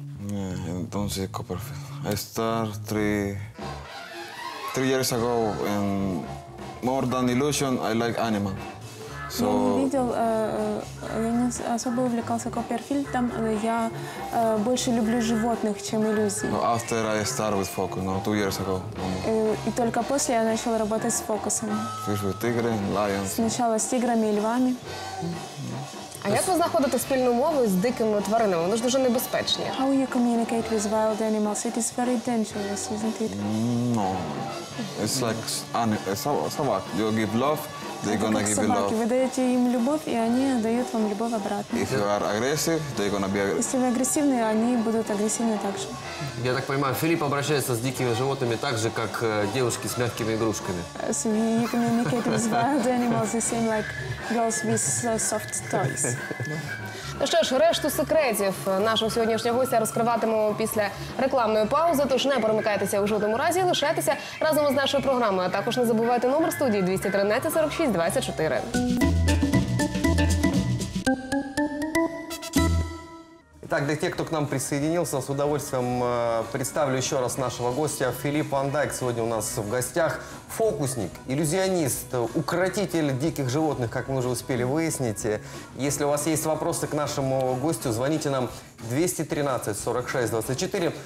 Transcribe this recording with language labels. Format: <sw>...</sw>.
<en>Ні, don't see Copperfield. I start 3 years ago, and more than illusion, I like animal. So...</en> <ru>Я видел, я не особо увлекался Копперфильдом, но я больше люблю животных, чем иллюзии.</ru> <en>Well, after I started with focus, no, 2 years ago.</en> <ru>И только после я начал работать с фокусами.</ru> <en>With тигры, lions.</en> <ru>Сначала с тиграми и львами.</ru> <uk>А як ви знаходите спільну мову з дикими тваринами? Вони ж дуже небезпечні.</uk> <en>How you communicate with wild animals? It is very dangerous, isn't it? No. It's like собак. You give love, they're gonna give you love.</en> <uk>Ви даєте їм любов, і вони дають вам любов обратно.</uk> <en>If you are aggressive, they're gonna be aggressive.</en> <uk>Якщо ви агресивні, вони будуть агресивні також. Я так розумію, Філіп обращається з дикими животними так же, як дівчинки з м'якими ігрушками.</uk> <en>So you communicate with wild animals the same like girls with soft toys.</en> <uk>Ну що ж, решту секретів нашого сьогоднішнього гостя розкриватимемо після рекламної паузи, тож не перемикайтеся у жодному разі, лишайтеся разом із нашою програмою. А також не забувайте номер студії 213-46-24.</uk> <ru>Итак, для тех, кто к нам присоединился, с удовольствием представлю еще раз нашего гостя. Филипп Ван Дайк сегодня у нас в гостях. Фокусник, иллюзионист, укротитель диких животных, как мы уже успели выяснить. Если у вас есть вопросы к нашему гостю, звоните нам 213-46-24.</ru>